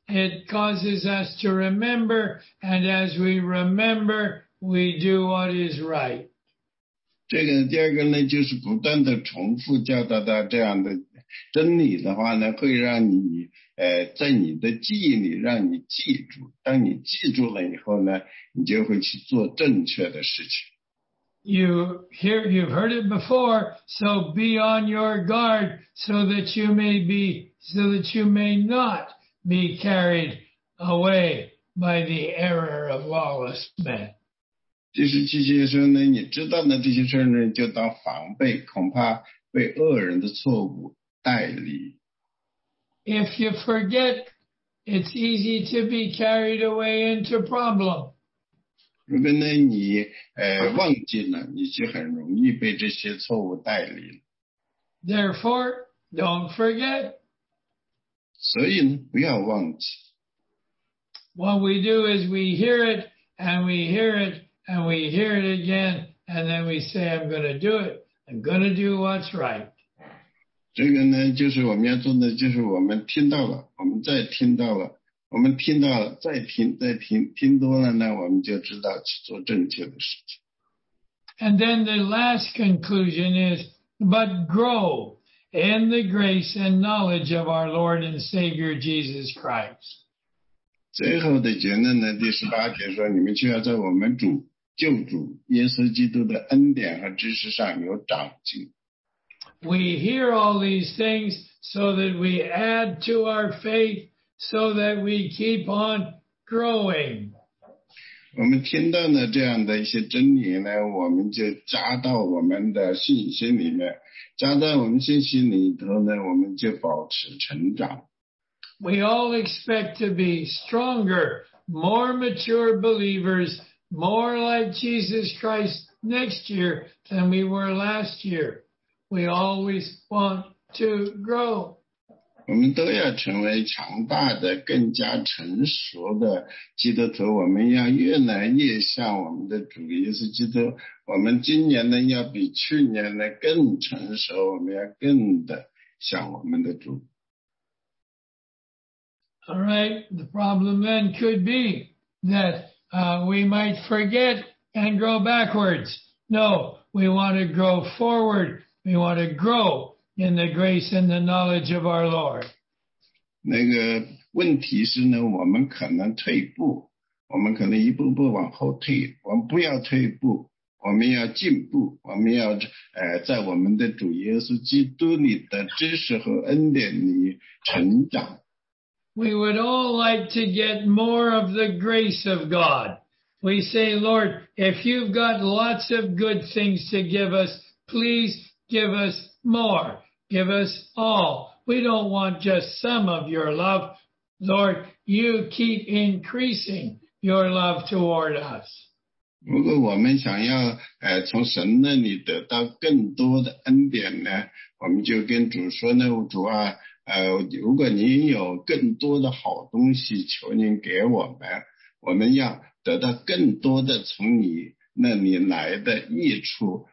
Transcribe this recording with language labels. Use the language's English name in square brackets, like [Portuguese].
[English] It causes us to remember, and as we remember, we do what is right. [Chinese] 这个第二个呢，就是不断的重复教导他这样的真理的话呢，会让你在你的记忆里让你记住，当你记住了以后呢，你就会去做正确的事情。 [English] You've heard it before, so be on your guard so that you may not be carried away by the error of lawless men. [Chinese] 第十七节说呢，你知道的这些事呢，就当防备，恐怕被恶人的错误带离。 [English] If you forget, it's easy to be carried away into problem. [Chinese] 如果呢你忘记了，你就很容易被这些错误带离了。 [English] Therefore, don't forget. [Chinese] 所以呢，不要忘记。 [English] What we do is we hear it and we hear it and we hear it again, and then we say, "I'm going to do it. I'm going to do what's right." [Chinese] 这个呢，就是我们要做的，就是我们听到了，我们再听到了。我们听到了，再听，再听，听多了呢，我们就知道去做正确的事情。 [English] And then the last conclusion is, but grow in the grace and knowledge of our Lord and Savior Jesus Christ. [Chinese] 最后的结论呢，第十八节说，你们却要在我们主救主耶稣基督的恩典和知识上有长进。 [English] We hear all these things so that we add to our faith. So that we keep on growing. [Chinese] 我们听到了这样的一些真理呢，我们就加到我们的信心里面，加在我们信心里头呢，我们就保持成长。 [English] We all expect to be stronger, more mature believers, more like Jesus Christ next year than we were last year. We always want to grow. [Chinese] 我们都要成为强大的、更加成熟的基督徒。我们要越来越像我们的主耶稣基督。我们今年呢，要比去年呢更成熟。我们要更的像我们的主。 [English] All right, the problem then could be that we might forget and grow backwards. No, we want to grow forward. We want to grow. In the grace and the knowledge of our Lord. [Chinese] 那个问题是呢，我们可能退步，我们可能一步步往后退，我们不要退步，我们要进步，我们要在我们的主耶稣基督里的知识和恩典里成长。 [English] We would all like to get more of the grace of God. We say, Lord, if you've got lots of good things to give us, please give us. More, give us all. We don't want just some of your love. Lord, you keep increasing your love toward us. [Chinese] 如果我们想要从神那里得到更多的恩典呢，我们就跟主说呢，主啊，如果您有更多的好东西，求您给我们，我们要得到更多的从你那里来的益处。